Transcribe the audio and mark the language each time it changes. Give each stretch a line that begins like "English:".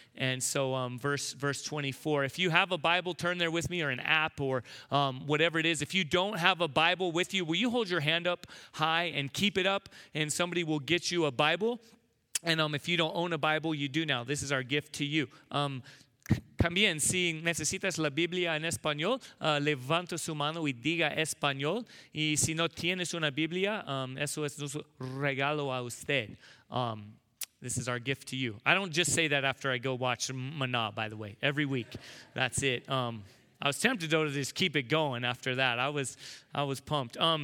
English: And so verse 24, if you have a Bible, turn there with me, or an app, or whatever it is. If you don't have a Bible with you, will you hold your hand up high and keep it up, and somebody will get you a Bible? And if you don't own a Bible, you do now. This is our gift to you.
Spanish: También, si necesitas la Biblia en español, levanto su mano y diga español. Y si no tienes una Biblia, eso es nuestro regalo a usted.
English: This is our gift to you. I don't just say that after I go watch Mana, by the way, every week. That's it. I was tempted, though, to just keep it going after that. I was pumped.